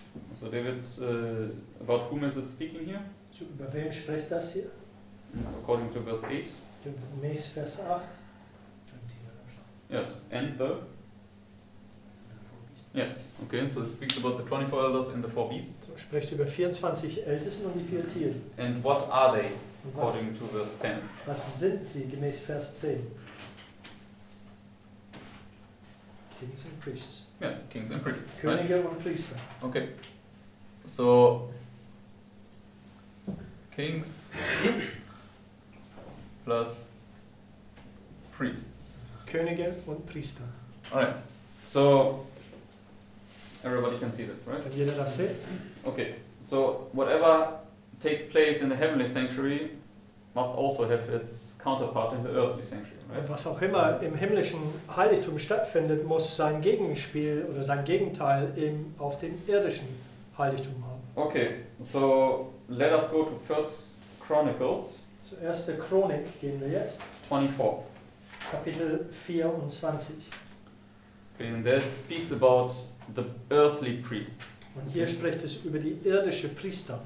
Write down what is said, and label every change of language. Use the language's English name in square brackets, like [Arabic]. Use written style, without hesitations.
[English] So David, about whom is it speaking here? [German] So, über wem spricht das hier? [English] According to verse 8. [German] Gemäß Vers 8. [English] Yes. And the? The four beasts. Yes. Okay, so it speaks about the 24 elders and the four beasts. [German] So, spricht über 24 Ältesten und die vier Tiere. [English] And what are they, according to verse 10? [German] Was sind sie, gemäß Vers 10? [English] Kings and priests. Yes, kings and priests. [German] Könige [English] right? [German] und Priester. [English] Okay. So, kings plus priests. [German] Könige und Priester. [English] Alright. So, everybody can see this, right? [German] Kann jeder das sehen? [English] Okay. So, whatever takes place in the heavenly sanctuary must also have its counterpart in the earthly sanctuary. [German] Was auch immer im himmlischen Heiligtum stattfindet, muss sein Gegenspiel oder sein Gegenteil im, auf dem irdischen Heiligtum haben. [English] Okay, so let us go to First Chronicles. [German] So erste Chronik gehen wir jetzt. 24. Kapitel 24. [English] Okay, and that speaks about the earthly priests. [German] Und hier spricht es über die irdische Priester.